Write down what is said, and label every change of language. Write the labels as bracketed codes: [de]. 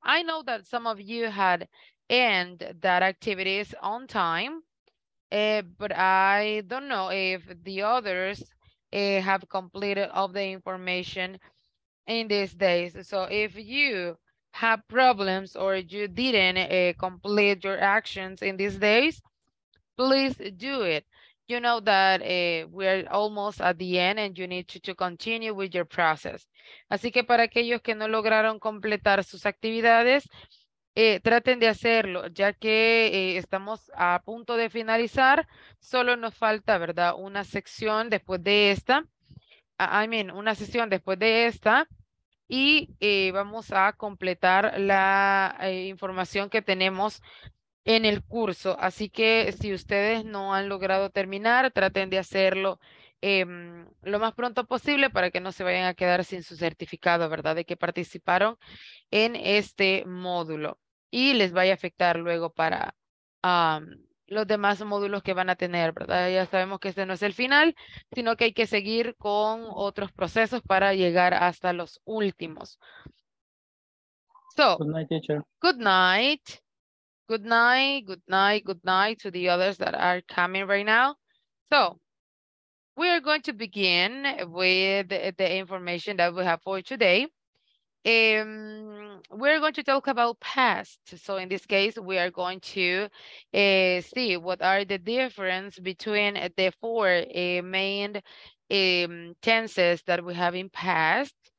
[en] I know that some of you had end that activities on time, but I don't know if the others have completed all the information in these days. So if you have problems or you didn't complete your actions in these days, please do it. You know that we're almost at the end and you need to continue with your process. [es] Así que para aquellos que no lograron completar sus actividades, traten de hacerlo, ya que estamos a punto de finalizar. Solo nos falta, ¿verdad? Una sección después de esta. [en] I mean, [es] una sesión después de esta. Y vamos a completar la información que tenemos en el curso. Así que si ustedes no han logrado terminar, traten de hacerlo lo más pronto posible para que no se vayan a quedar sin su certificado, ¿verdad? De que participaron en este módulo. Y les vaya a afectar luego para los demás módulos que van a tener, ¿verdad? Ya sabemos que este no es el final, sino que hay que seguir con otros procesos para llegar hasta los últimos. [en] So, good night, teacher. Good night. Good night, good night, good night to the others that are coming right now. So, we are going to begin with the information that we have for today. We're going to talk about past. So in this case, we are going to see what are the difference between the four main tenses that we have in past.